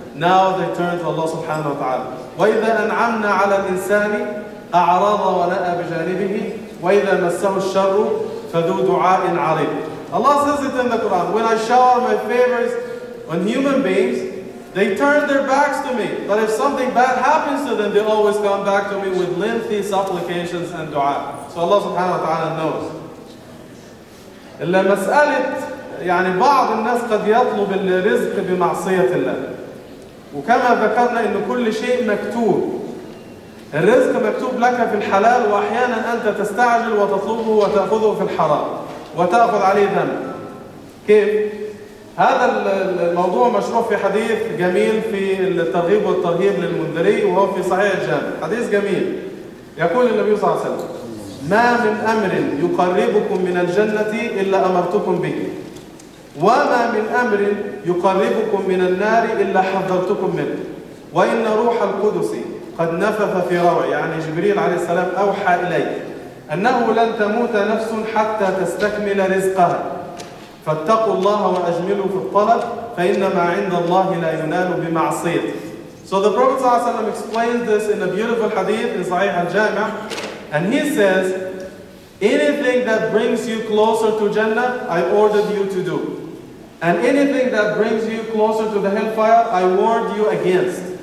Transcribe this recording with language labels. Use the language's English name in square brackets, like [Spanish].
[English] Now they turn to Allah subhanahu wa ta'ala. [Arabic] وَإِذَا أَنْعَمْنَا عَلَى الْإِنسَانِ أَعْرَضَ وَنَأَى بِجَانِبِهِ وَإِذَا مَسَّهُ الشَّرُّ فَذُو دُعَاءٍ عَرِيضٍ. [English] Allah says it in the Quran, when I shower my favors on human beings, they turn their backs to me. But if something bad happens to them, they always come back to me with lengthy supplications and dua. So Allah subhanahu wa ta'ala knows. [Arabic] إِلَّا مَسْأَلِتْ يعني بعض الناس قد يطلب الرزق بمعصية الله. وكما ذكرنا أن كل شيء مكتوب، الرزق مكتوب لك في الحلال، وأحيانا أنت تستعجل وتطلبه وتأخذه في الحرام وتأخذ عليه ذنب. كيف؟ هذا الموضوع مشروع في حديث جميل في الترغيب والترهيب للمنذري، وهو في صحيح الجامع. حديث جميل، يقول النبي صلى الله عليه وسلم: ما من أمر يقربكم من الجنة إلا أمرتكم به، وما من أمر يقربكم من النار إلا حذرتكم منه، وإن روح القدس قد نفث في روعي، يعني جبريل عليه السلام أوحى إلي أنه لن تموت نفس حتى تستكمل رزقها، فاتقوا الله وأجملوا في الطلب، فإنما عند الله لا ينال بمعصية. [English] So the Prophet صلى الله عليه وسلم explained this in a beautiful hadith in صحيح الجامع, and he says, anything that brings you closer to Jannah, I ordered you to do. And anything that brings you closer to the hellfire, I warned you against.